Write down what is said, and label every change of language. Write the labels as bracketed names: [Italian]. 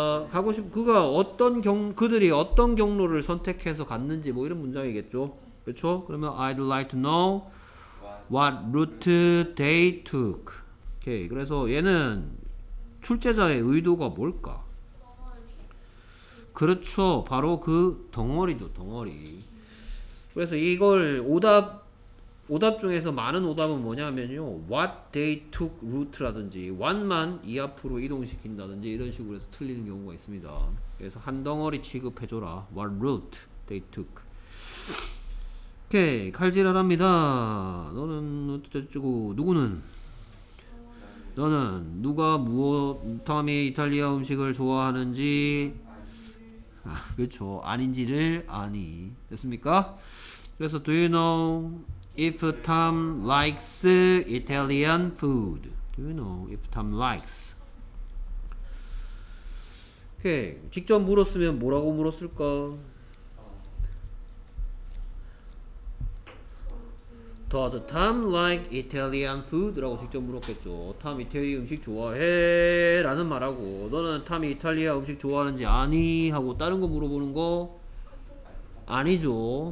[Korean] 하고 싶 그가 어떤 경 그들이 어떤 경로를 선택해서 갔는지 뭐 이런 문장이겠죠. 그렇죠? 그러면 [English] I'd like to know what route they took. [Korean] 오케이. 그래서 얘는 출제자의 의도가 뭘까? 그렇죠. 바로 그 덩어리죠. 덩어리. 그래서 이걸 오답 중에서 많은 오답은 뭐냐면요. [English] What they took root [Korean] 라든지 what만 이 앞으로 이동시킨다든지 이런 식으로 해서 틀리는 경우가 있습니다. 그래서 한 덩어리 취급해줘라. [English] What root they took. 오케이. [Korean] 칼질하랍니다. 너는 어쩌고 누구는? 너는 누가 무엇 탐이 이탈리아 음식을 좋아하는지 아, 그렇죠. 아닌지를 아니. 됐습니까? 그래서 [English] do you know if Tom likes Italian food? Do you know if Tom likes? [Korean] 오케이. 직접 물었으면 뭐라고 물었을까? [English] 더 더 Tom like Italian food [Korean] 라고 직접 물었겠죠. Tom 이탈리아 음식 좋아해 라는 말하고 너는 Tom 이탈리아 음식 좋아하는지 아니 하고 다른 거 물어보는 거 아니죠.